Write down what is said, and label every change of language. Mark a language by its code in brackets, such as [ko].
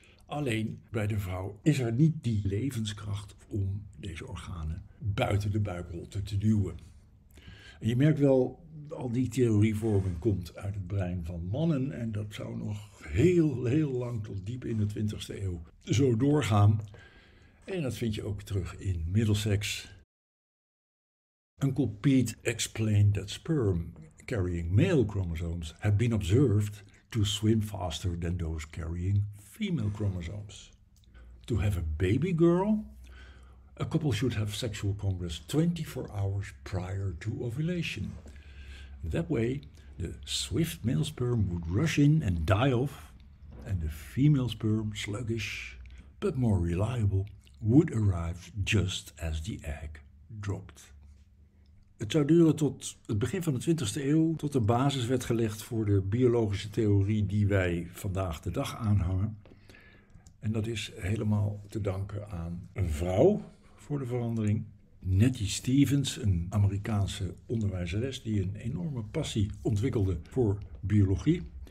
[nl] Alleen bij de vrouw is er niet die levenskracht om deze organen buiten de buikholte te duwen. En je merkt wel, al die theorievorming komt uit het brein van mannen en dat zou nog heel lang tot diep in de 20e eeuw zo doorgaan. En dat vind je ook terug in Middlesex. [en] Uncle Pete explained that sperm carrying male chromosomes have been observed to swim faster than those carrying female chromosomes. To have a baby girl, a couple should have sexual congress 24 hours prior to ovulation. That way, De swift male sperm would rush in and die off, and the female sperm, sluggish but more reliable, would arrive just as the egg dropped. [nl] Het zou duren tot het begin van de 20e eeuw, tot de basis werd gelegd voor de biologische theorie die wij vandaag de dag aanhangen. En dat is helemaal te danken aan een vrouw voor de verandering. Nettie Stevens, een Amerikaanse onderwijzeres die een enorme passie ontwikkelde voor biologie.